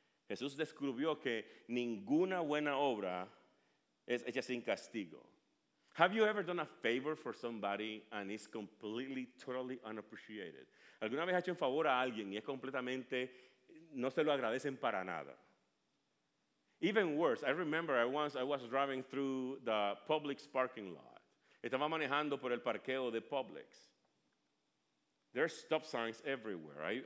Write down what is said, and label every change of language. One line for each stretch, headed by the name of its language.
Spanish: Jesús descubrió que ninguna buena obra es hecha sin castigo.
English: Have you ever done a favor for somebody and it's completely, totally unappreciated?
Spanish: ¿Alguna vez has hecho un favor a alguien y es completamente, no se lo agradecen para nada?
English: Even worse, I remember I was driving through the Publix parking lot.
Spanish: Estaba manejando por el parqueo de Publix.
English: There's stop signs everywhere.